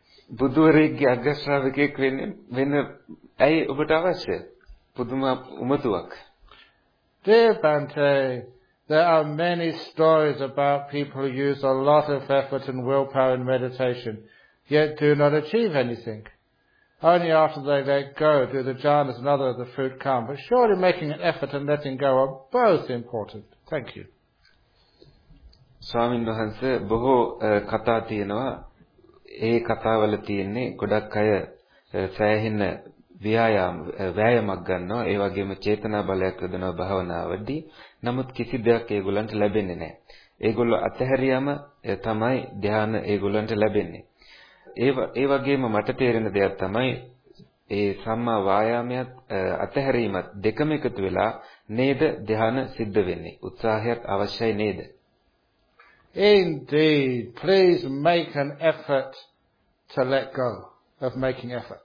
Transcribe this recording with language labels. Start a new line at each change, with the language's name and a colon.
Sinhala: බුදුරෙග්ගේ අග්‍රශ්‍රාවකෙක් වෙන්න ඇයි ඔබට අවශ්‍ය? පුදුම උමතුවක්.
English: Dear Bhante, there are many stories about people who use a lot of effort and willpower in meditation, yet do not achieve anything. Only after they let go do the jhanas and other of the fruit come, but surely making an effort and letting go are both important. Thank you.
Sinhala: Swamin Vahanse, boho katha tiyenawa, ee katha wala tiyenne, godak aya sahenna ව්‍යායාමයක් ගන්නවා, ඒ වගේම චේතනා බලයක් යොදනවා භාවනාවදී. නමුත් කිසි දෙයක් ඒගොල්ලන්ට ලැබෙන්නේ නැහැ. ඒගොල්ලෝ අතහැරියම තමයි ධ්‍යාන ඒගොල්ලන්ට ලැබෙන්නේ. ඒ වගේම මට තේරෙන දෙයක් තමයි ඒ සම්මා ව්‍යායාමයත් අතහැරීමත් දෙකම එකතු වෙලා නේද ධ්‍යාන සිද්ධ වෙන්නේ. උත්සාහයක් අවශ්‍යයි නේද?
English: Indeed, please make an effort to let go of making effort.